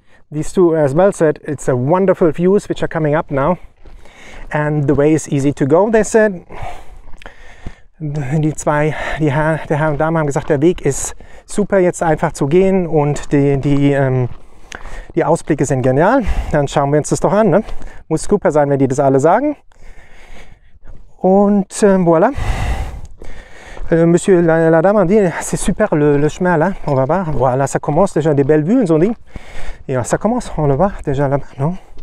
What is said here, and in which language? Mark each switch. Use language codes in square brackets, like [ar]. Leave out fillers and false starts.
[en] These two, as Mel said, it's a wonderful views which are coming up now. And the way is easy to go, they said. [de] Die zwei, die Herr, der Herr und Dame haben gesagt, der Weg ist super, jetzt einfach zu gehen und die Ausblicke sind genial. Dann schauen wir uns das doch an. Ne? Muss super sein, wenn die das alle sagen. Und voilà. [fr] Monsieur la Dame a dit, c'est super le chemin là, on va voir. Voilà, ça commence déjà, des belles vues, ils ont dit. Et ça commence, on le voit déjà là-bas, non?